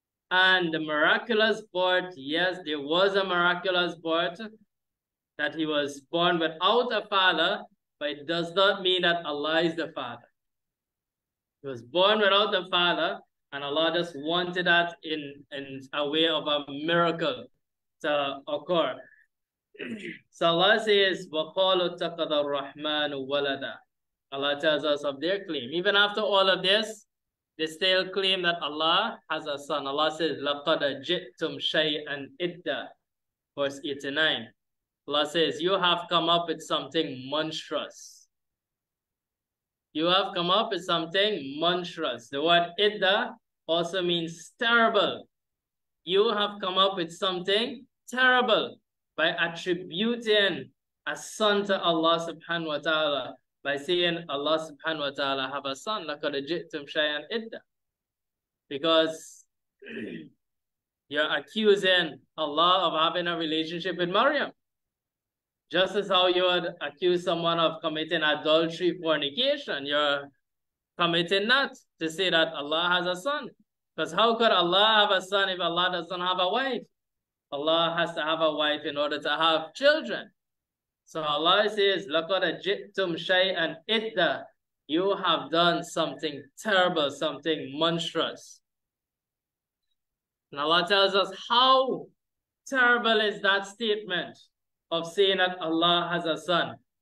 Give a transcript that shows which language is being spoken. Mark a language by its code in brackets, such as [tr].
[en] And the miraculous birth, yes, there was a miraculous birth that he was born without a father, but it does not mean that Allah is the father. He was born without the father, and Allah just wanted that in a way of a miracle to occur. So Allah says, [ar] وَقَالُوا اتَّخَذَ الرَّحْمَنُ وَلَدًا. [en] Allah tells us of their claim. Even after all of this, they still claim that Allah has a son. Allah says, [ar] لَقَدَ جِئْتُمْ شَيْئًا إِدًّا. [en] Verse 89. Allah says, you have come up with something monstrous. You have come up with something monstrous. The word idda also means terrible. You have come up with something terrible by attributing a son to Allah subhanahu wa ta'ala by saying Allah subhanahu wa ta'ala have a son. [ar] Laqad ji'tum shay'an idda. [en] Because you're accusing Allah of having a relationship with Maryam. Just as how you would accuse someone of committing adultery, fornication, you're committing that to say that Allah has a son. Because how could Allah have a son if Allah doesn't have a wife? Allah has to have a wife in order to have children. So Allah says, [ar] لَقَدْ جِئْتُمْ شَيْئًا إِدَّا. [en] You have done something terrible, something monstrous. And Allah tells us, how terrible is that statement of saying that Allah has a son?